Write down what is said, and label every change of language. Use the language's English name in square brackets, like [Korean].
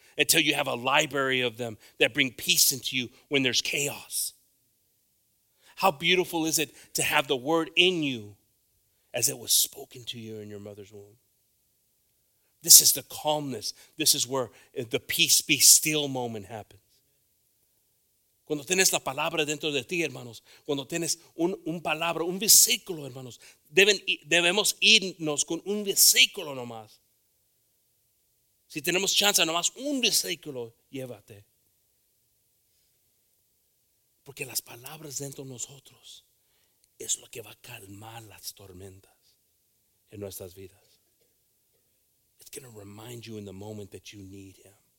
[English] Until you have a library of them that bring peace into you when there's chaos. How beautiful is it to have the word in you as it was spoken to you in your mother's womb? This is the calmness. This is where the peace be still moment happens. [Spanish] Cuando tienes la palabra dentro de ti, hermanos, cuando tienes un palabra, un versículo, hermanos, debemos irnos con un versículo nomás. Si tenemos chance, nomás un versículo, llévate. Porque las palabras dentro de nosotros es lo que va a calmar las tormentas en nuestras vidas. [English] It's going to remind you in the moment that you need him.